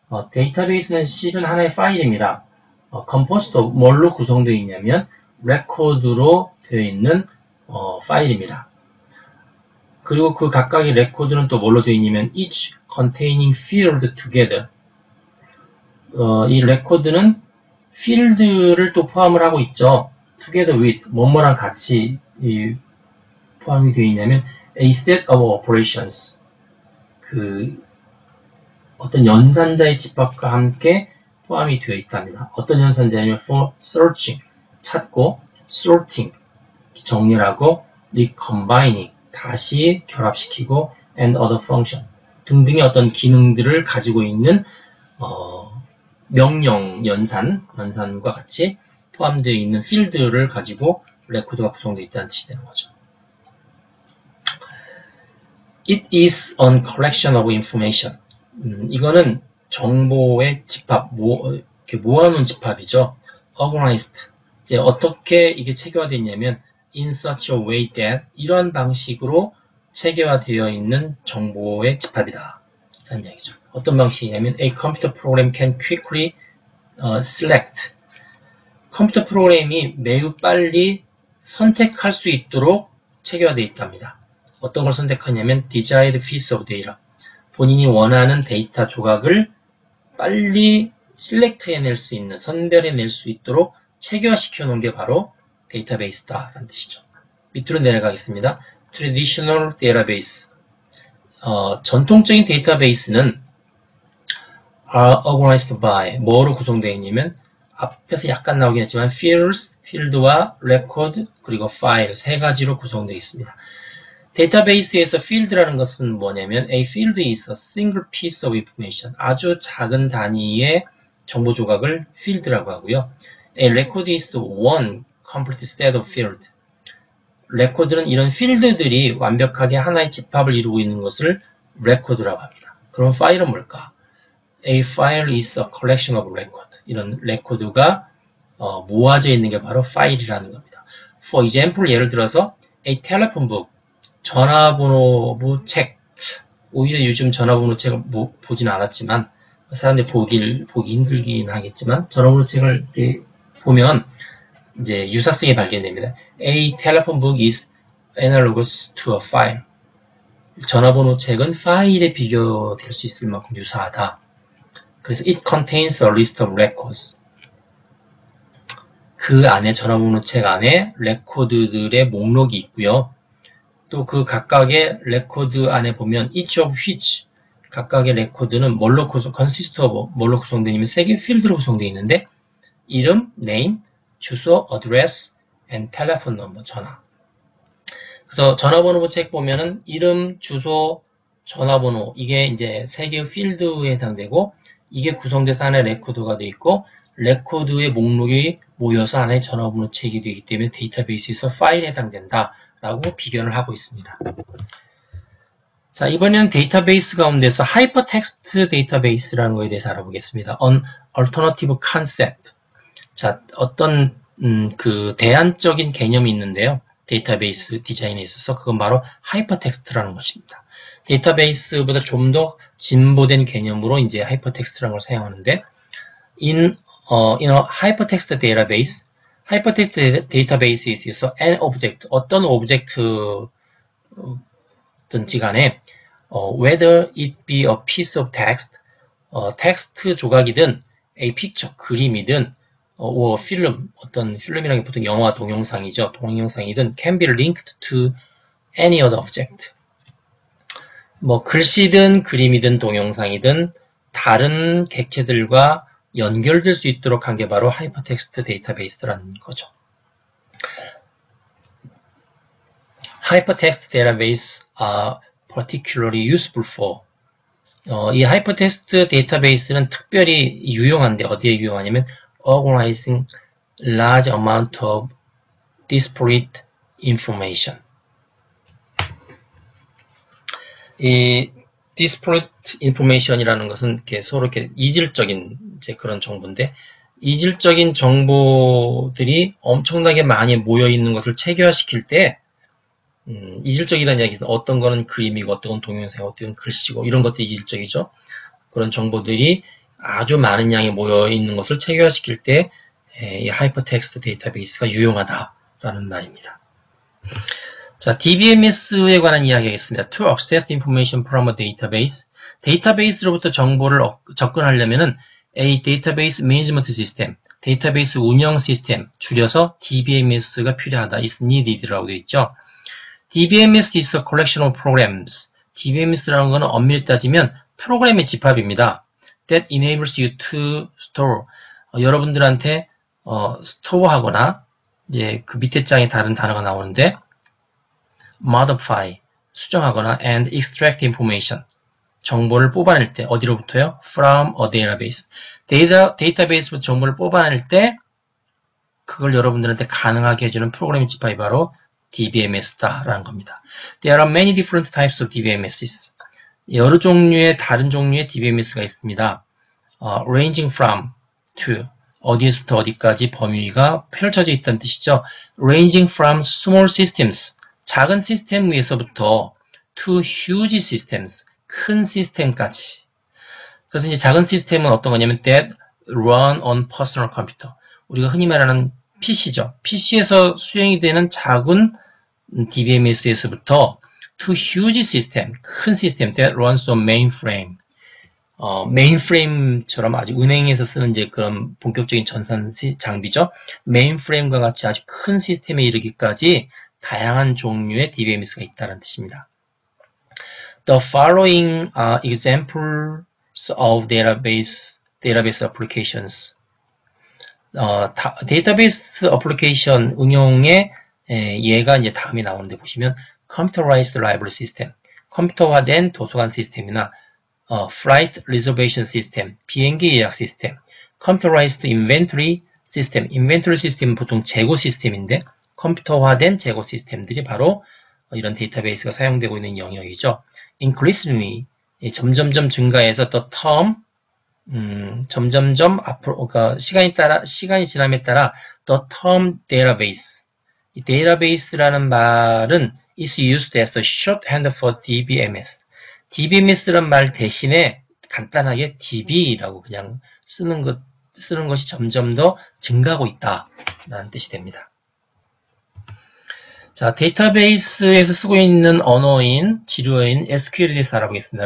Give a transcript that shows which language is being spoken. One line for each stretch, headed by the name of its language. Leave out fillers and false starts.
Korean: 데이터베이스는 실은 하나의 파일입니다. composed도 뭘로 구성되어 있냐면 레코드로 되어 있는 파일입니다. 그리고 그 각각의 레코드는 또 뭘로 되어 있냐면
English: each containing field together.
Korean: 이 레코드는 필드를 또 포함을 하고 있죠.
English: together with
Korean: 뭐뭐랑 같이 포함이 되어 있냐면
English: a set of operations.
Korean: 그 어떤 연산자의 집합과 함께 포함이 되어 있답니다. 어떤 연산자냐면
English: for searching
Korean: 찾고 sorting 정렬하고 recombining 다시 결합시키고
English: and other function
Korean: 등등의 어떤 기능들을 가지고 있는 명령 연산과 같이 포함되어 있는 필드를 가지고 레코드가 구성되어 있다는 뜻이 되는 거죠.
English: It is a collection of information.
Korean: 이거는 정보의 집합, 이렇게 모아놓은 집합이죠.
English: Organized.
Korean: 이제 어떻게 이게 체계화되냐면
English: In such a way that
Korean: 이런 방식으로 체계화되어 있는 정보의 집합이다. 라는 얘기죠. 어떤 방식이냐면
English: A computer program can quickly select.
Korean: 컴퓨터 프로그램이 매우 빨리 선택할 수 있도록 체계화되어 있답니다. 어떤 걸 선택하냐면
English: desired piece of data.
Korean: 본인이 원하는 데이터 조각을 빨리 select해낼 수 있는, 선별해낼 수 있도록 체계화시켜 놓은 게 바로 데이터베이스다라는 뜻이죠. 밑으로 내려가겠습니다.
English: Traditional Database.
Korean: 전통적인 데이터베이스는
English: are organized by
Korean: 뭐로 구성되어 있냐면 앞에서 약간 나오긴 했지만 field와 record 그리고 file 세 가지로 구성되어 있습니다. 데이터베이스에서 field라는 것은 뭐냐면
English: a field is a single piece of information.
Korean: 아주 작은 단위의 정보 조각을 field라고 하고요.
English: a record is one complete set of field.
Korean: 레코드는 이런 필드들이 완벽하게 하나의 집합을 이루고 있는 것을 레코드라고 합니다. 그럼 파일은 뭘까?
English: A file is a collection of records.
Korean: 이런 레코드가 모아져 있는 게 바로 파일이라는 겁니다.
English: For example,
Korean: 예를 들어서
English: a telephone book,
Korean: 전화번호부 책. 오히려 요즘 전화번호 책을 보진 않았지만 사람들이 보기 힘들긴 하겠지만 전화번호 책을 보면 이제 유사성이 발견됩니다.
English: A telephone book is analogous to a file.
Korean: 전화번호 책은 파일에 비교될 수 있을 만큼 유사하다. 그래서
English: it contains a list of records.
Korean: 그 안에 전화번호 책 안에 레코드들의 목록이 있고요. 또 그 각각의 레코드 안에 보면
English: each of which
Korean: 각각의 레코드는 뭘로 구성,
English: consist of
Korean: 뭘로 구성되냐면 세 개의 필드로 구성되어 있는데 이름, name, 주소, address, and telephone number, 전화. 그래서 전화번호부 책 보면은 이름, 주소, 전화번호 이게 이제 세 개의 필드에 해당되고 이게 구성돼서 안에 레코드가 되어 있고 레코드의 목록이 모여서 안에 전화번호 책이 되기 때문에 데이터베이스에서 파일에 해당된다. 라고 비견을 하고 있습니다. 자, 이번에는 데이터베이스 가운데서 하이퍼텍스트 데이터베이스라는 것에 대해서 알아보겠습니다.
English: An alternative concept.
Korean: 자, 어떤 그 대안적인 개념이 있는데요. 데이터베이스 디자인에 있어서 그건 바로 하이퍼텍스트라는 것입니다. 데이터베이스보다 좀 더 진보된 개념으로 이제 하이퍼텍스트라는 걸 사용하는데
English: in a hypertext database,
Korean: hypertext database에서 an object, 어떤 object든지 간에,
English: whether it be a piece of text,
Korean: text 조각이든, a picture, 그림이든, or film, 어떤 film이라는 게 보통 영화 동영상이죠. 동영상이든,
English: can be linked to any other object.
Korean: 뭐, 글씨든, 그림이든, 동영상이든, 다른 객체들과 연결될 수 있도록 한 게 바로 하이퍼텍스트 데이터베이스라는 거죠. 하이퍼텍스트 데이터베이스
English: are particularly useful for.
Korean: 이 하이퍼텍스트 데이터베이스는 특별히 유용한데 어디에 유용하냐면
English: organizing large amount of disparate information.
Korean: 이 disparate information이라는 것은 이렇게 서로 이렇게 이질적인 이제 그런 정보인데 이질적인 정보들이 엄청나게 많이 모여 있는 것을 체계화시킬 때 이질적이라는 이야기는 어떤 거는 그림이고 어떤 건 동영상이고 어떤 건 글씨고 이런 것도 이질적이죠. 그런 정보들이 아주 많은 양에 모여 있는 것을 체계화시킬 때 이 하이퍼텍스트 데이터베이스가 유용하다라는 말입니다. 자, DBMS에 관한 이야기하겠습니다.
English: To access information from a database.
Korean: 데이터베이스로부터 정보를 접근하려면은
English: A database management system,
Korean: 데이터베이스 운영 시스템, 줄여서 DBMS가 필요하다.
English: is needed
Korean: 라고 되어 있죠.
English: DBMS is a collection of programs.
Korean: DBMS라는 것은 엄밀히 따지면 프로그램의 집합입니다.
English: That enables you to store.
Korean: 여러분들한테 store하거나 이제 그 밑에 장에 다른 단어가 나오는데 modify, 수정하거나
English: and extract information.
Korean: 정보를 뽑아낼 때 어디로부터요?
English: From a database.
Korean: 데이터베이스부터 정보를 뽑아낼 때 그걸 여러분들한테 가능하게 해주는 프로그램의 집합이 바로 DBMS다라는 겁니다.
English: There are many different types of DBMSs.
Korean: 여러 종류의 다른 종류의 DBMS가 있습니다.
English: Ranging from to
Korean: 어디에서부터 어디까지 범위가 펼쳐져 있다는 뜻이죠.
English: Ranging from small systems
Korean: 작은 시스템 위에서부터
English: to huge systems
Korean: 큰 시스템까지. 그래서 이제 작은 시스템은 어떤 거냐면
English: that run on personal computer.
Korean: 우리가 흔히 말하는 PC죠. PC에서 수행이 되는 작은 DBMS에서부터
English: to huge system,
Korean: 큰 시스템
English: that runs on mainframe.
Korean: Mainframe처럼 아주 은행에서 쓰는 이제 그런 본격적인 전산 장비죠. Mainframe과 같이 아주 큰 시스템에 이르기까지 다양한 종류의 DBMS가 있다는 뜻입니다.
English: The following are examples of database applications.
Korean: 데이터베이스 어플리케이션 응용의 예가 이제 다음에 나오는데 보시면
English: computerized library system,
Korean: 컴퓨터화된 도서관 시스템이나
English: flight reservation system,
Korean: 비행기 예약 시스템,
English: computerized inventory system.
Korean: inventory system은 보통 재고 시스템인데 컴퓨터화된 재고 시스템들이 바로 이런 데이터베이스가 사용되고 있는 영역이죠. increasingly 예, 점점점 증가해서 the term 점점점 앞으로 그러니까 시간이 지남에 따라
English: the term database
Korean: 데이터베이스라는 말은
English: is used as a shorthand for DBMS.
Korean: DBMS란 말 대신에 간단하게 DB라고 그냥 쓰는 것이 점점 더 증가하고 있다라는 뜻이 됩니다. 자, 데이터베이스에서 쓰고 있는 언어인 지료인 SQL에서 알아보겠습니다.